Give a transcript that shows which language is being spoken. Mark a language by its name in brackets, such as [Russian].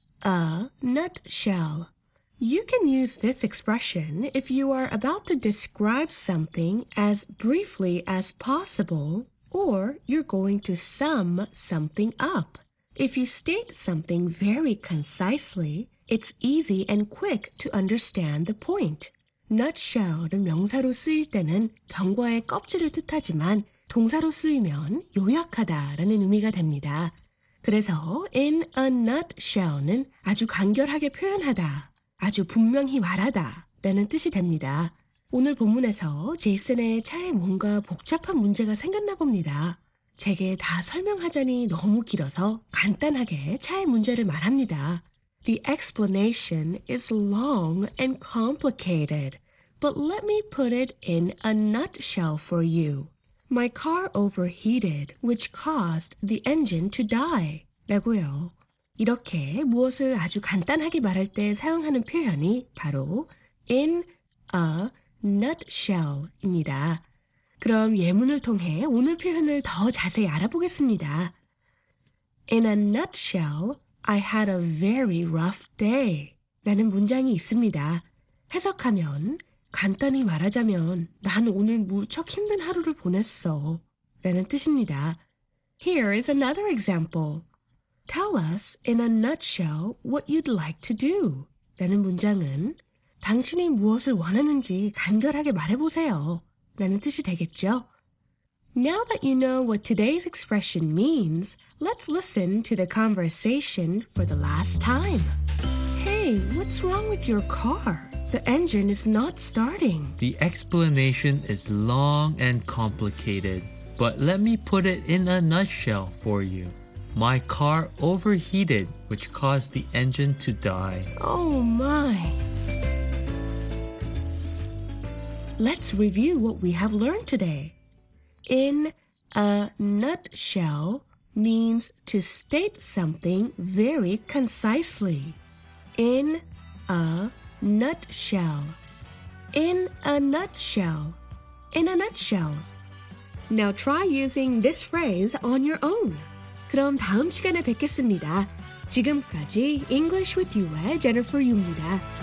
[English] a nutshell. You can use this expression if you are about to describe something as briefly as possible, or you're going to sum something up. If you state something very concisely, it's easy and quick to understand the point. [Korean] Nutshell을 명사로 쓰일 때는 경과의 껍질을 뜻하지만 동사로 쓰이면 요약하다라는 의미가 됩니다. 그래서 in a nutshell는 아주 간결하게 표현하다, 아주 분명히 말하다 라는 뜻이 됩니다. 오늘 본문에서 제이슨의 차에 뭔가 복잡한 문제가 생겼나 봅니다. 제게 다 설명하자니 너무 길어서 간단하게 차의 문제를 말합니다. [English] The explanation is long and complicated, but let me put it in a nutshell for you. My car overheated, which caused the engine to die. [Korean] 라고요. 이렇게 무엇을 아주 간단하게 말할 때 사용하는 표현이 바로 in a nutshell입니다. 그럼 예문을 통해 오늘 표현을 더 자세히 알아보겠습니다. [English] In a nutshell, I had a very rough day. [Korean] 라는 문장이 있습니다. 해석하면, 간단히 말하자면 난 오늘 무척 힘든 하루를 보냈어 라는 뜻입니다. [English] Here is another example. Tell us in a nutshell what you'd like to do. [Korean] 라는 문장은 당신이 무엇을 원하는지 간결하게 말해보세요 라는 뜻이 되겠죠. [English] Now that you know what today's expression means, let's listen to the conversation for the last time. Hey, what's wrong with your car? The engine is not starting. The explanation is long and complicated, but let me put it in a nutshell for you. My car overheated, which caused the engine to die. Oh my! Let's review what we have learned today. In a nutshell means to state something very concisely. In a nutshell. In a nutshell. In a nutshell. Now try using this phrase on your own. [Korean] 그럼 다음 시간에 뵙겠습니다. 지금까지 English with you의 Jennifer Yu입니다.